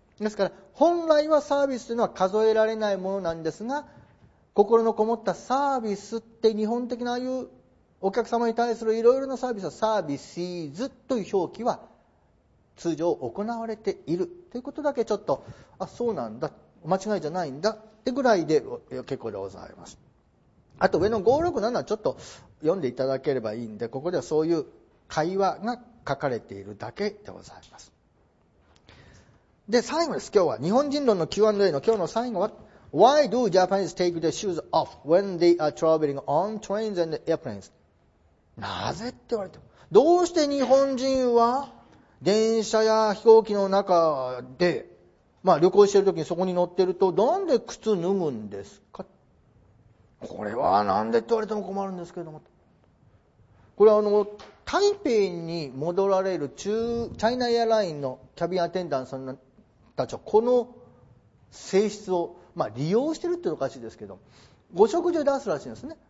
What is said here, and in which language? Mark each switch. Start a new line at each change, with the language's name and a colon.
Japanese: ですから本来はサービスというのは数えられないものなんですが、心のこもったサービスって日本的なああいうお客様に対するいろいろなサービスはサービスイズという表記は通常行われているということだけちょっと、あ、そうなんだ、間違いじゃないんだってぐらいで結構でございます。あと上の567はちょっと読んでいただければいいんで、ここではそういう会話が書かれているだけでございます。で最後です。今日は日本人論の Q&A の今日の最後は
English: Why do Japanese take their shoes off when they are traveling on trains and airplanes?
Japanese: なぜって言われても、どうして日本人は電車や飛行機の中で、旅行している時にそこに乗ってると、なんで靴脱ぐんですか？これはなんでって言われても困るんですけども。これは台北に戻られる中、チャイナエアラインのキャビンアテンダントさんたちは、この性質を、利用してるっていうのおかしいですけど、ご食事を出すらしいんですね。